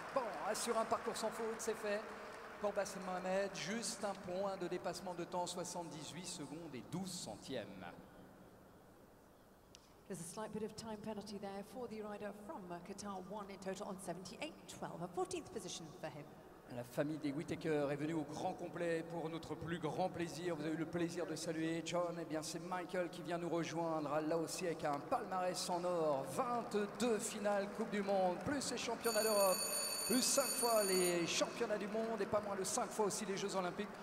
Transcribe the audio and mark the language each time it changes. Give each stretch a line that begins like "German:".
French: Bon, sur un parcours sans faute, c'est fait pour Bassem Mohamed. Juste un point de dépassement de temps, 78 secondes et 12 centièmes.
English: There's a slight bit of time penalty there for the rider from Qatar. One in total on 78-12, a 14th position for him.
French: La famille des Whittaker est venue au grand complet pour notre plus grand plaisir. Vous avez eu le plaisir de saluer John. Eh bien, c'est Michael qui vient nous rejoindre là aussi avec un palmarès en or. 22 finales Coupe du Monde, plus les championnats d'Europe, plus 5 fois les championnats du monde et pas moins de 5 fois aussi les Jeux Olympiques.